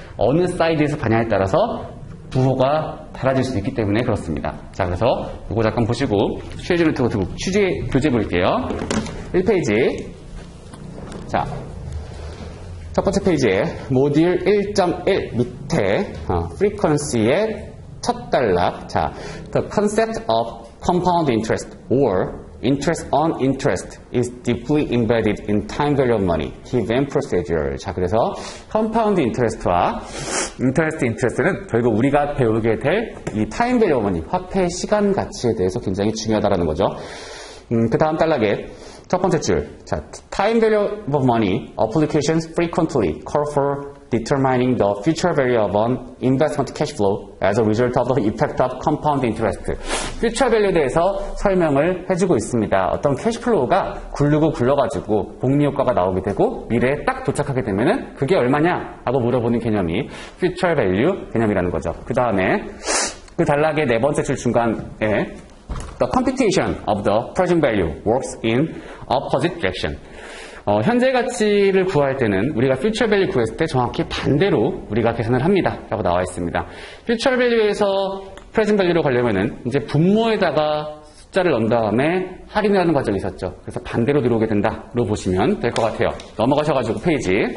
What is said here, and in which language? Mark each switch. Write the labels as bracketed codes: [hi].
[ko] 어느 사이드에서 봤냐에 따라서 부호가 달라질 수 있기 때문에 그렇습니다. 자, 그래서 이거 잠깐 보시고 취재를 두고 취재 교재 볼게요. 1페이지. 자, 첫 번째 페이지에 모듈 1.1 밑에 프리퀀시의 첫 단락. [en] 자, The concept of compound interest or interest on interest is deeply embedded in time value of money, given procedure. [ko] 자, 그래서 compound interest와 interest는 결국 우리가 배우게 될 이 time value of money, 화폐 시간 가치에 대해서 굉장히 중요하다라는 거죠. 그 다음 단락에 첫 번째 줄. [en] 자, time value of money applications frequently call for determining the future value of an investment cash flow as a result of the effect of compound interest. [ko] Future value에 대해서 설명을 해주고 있습니다. 어떤 cash flow가 굴르고 굴러가지고 복리 효과가 나오게 되고 미래에 딱 도착하게 되면은 그게 얼마냐? 라고 물어보는 개념이 future value 개념이라는 거죠. 그 다음에 그 단락의 네 번째 줄 중간에 [en] The computation of the present value works in opposite direction. [ko] 현재 가치를 구할 때는 우리가 future value 구했을 때 정확히 반대로 우리가 계산을 합니다. 라고 나와 있습니다. future value에서 present value로 가려면은 이제 분모에다가 숫자를 넣은 다음에 할인이라는 과정이 있었죠. 그래서 반대로 들어오게 된다. 로 보시면 될 것 같아요. 넘어가셔가지고 페이지.